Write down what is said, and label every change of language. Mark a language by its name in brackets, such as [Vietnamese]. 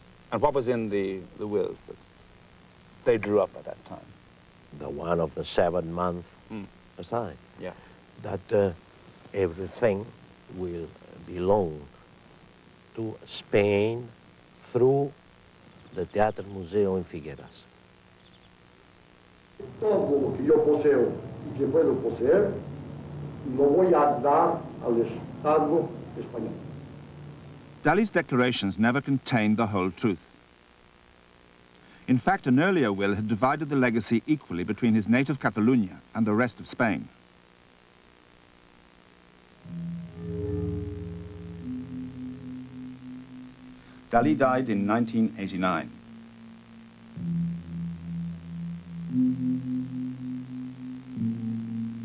[English] And what was in the wills that they drew up at that time? The one of the 7 months aside. Yeah. That everything will belong to Spain through the Teatro Museo in Figueras. [Spanish] Todo lo que yo poseo y que puedo poseer, lo voy a dar al Estado español. [English] Dalí's declarations never contained the whole truth. In fact, an earlier will had divided the legacy equally between his native Catalonia and the rest of Spain. Dalí died in 1989.